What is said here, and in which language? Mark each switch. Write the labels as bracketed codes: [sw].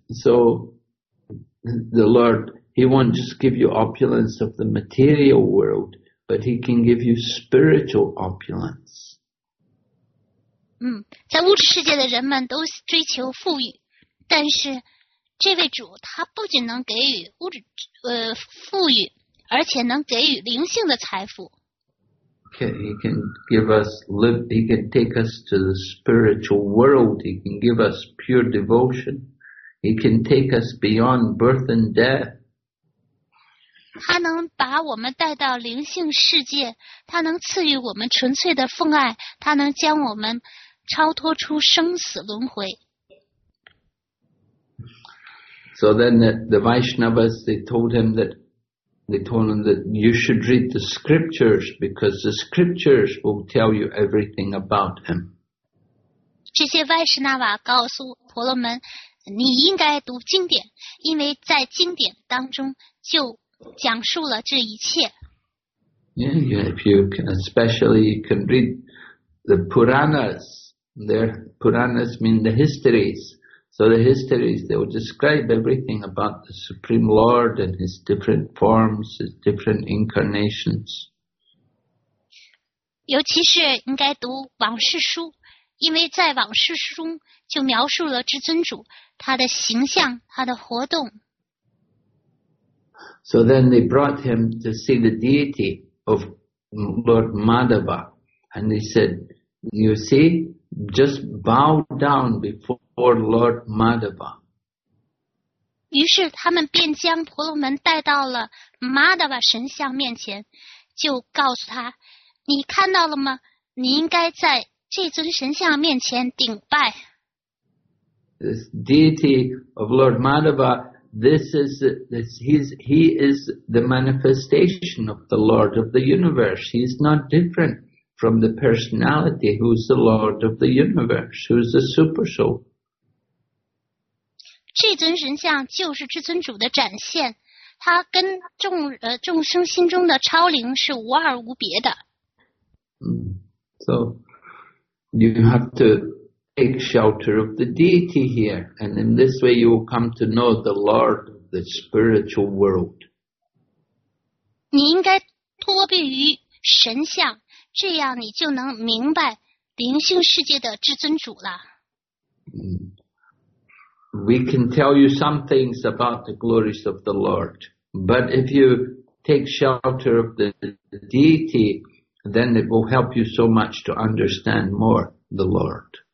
[en] So the Lord, he won't just give you opulence of the material world, but he can give you spiritual opulence. [zh] 在物质世界的人们都追求富裕，但是这位主他不仅能给予物质富裕，而且能给予灵性的财富。 [en] He can take us to the spiritual world. He can give us pure devotion. He can take us beyond birth and death. [zh] 他能把我们带到灵性世界，他能赐予我们纯粹的父爱，他能将我们超脱出生死轮回。 [en] So then the Vaishnavas, they told him that you should read the scriptures because the scriptures will tell you everything about him. [zh] 这些 Vaishnava 告诉婆罗门，你应该读经典，因为在经典当中就讲述了这一切。 [en] Yeah, if you can, especially you can read the Puranas. There, Puranas mean the histories. So the histories, they will describe everything about the Supreme Lord and his different forms, his different incarnations. [zh] 尤其是应该读往事书，因为在往事书中就描述了至尊主他的形象，他的活动。 [en] So then they brought him to see the deity of Lord Madhava, and they said, "You see, just bow down before Lord Madhava." [zh] 于是他们便将婆罗门带到了 Madhava 神像面前，就告诉他。你看到了吗？你应该在这尊神像面前顶拜。 [en] This deity of Lord Madhava, he is the manifestation of the Lord of the universe. He is not different from the personality who is the Lord of the universe, who is the super soul. [zh] 这尊神像就是至尊主的展现，他跟众生心中的超灵是无二无别的。 [en] So you have to take shelter of the deity here, and in this way you will come to know the Lord of the spiritual world. [zh] 你应该脱避于神像，这样你就能明白灵性世界的至尊主了。 [en] We can tell you some things about the glories of the Lord, but if you take shelter of the deity,then it will help you so much to understand more the Lord.